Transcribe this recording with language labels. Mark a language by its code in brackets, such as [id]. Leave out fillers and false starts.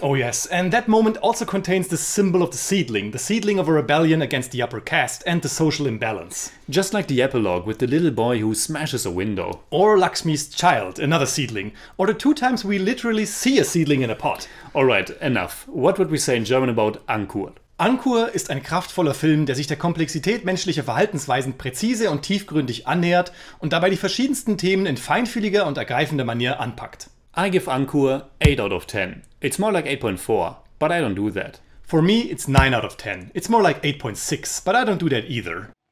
[en] Oh yes, and that moment also contains the symbol of the seedling of a rebellion against the upper caste and the social imbalance. Just like the epilogue with the little boy who smashes a window. Or Lakshmi's child, another seedling. Or the two times we literally see a seedling in a pot. Alright, enough. What would we say in German about Ankur? [de] Ankur ist ein kraftvoller Film, der sich der Komplexität menschlicher Verhaltensweisen präzise und tiefgründig annähert und dabei die verschiedensten Themen in feinfühliger und ergreifender Manier anpackt. [en] I give Ankur 8 out of 10. It's more like 8.4, but I don't do that. For me, it's 9 out of 10. It's more like 8.6, but I don't do that either.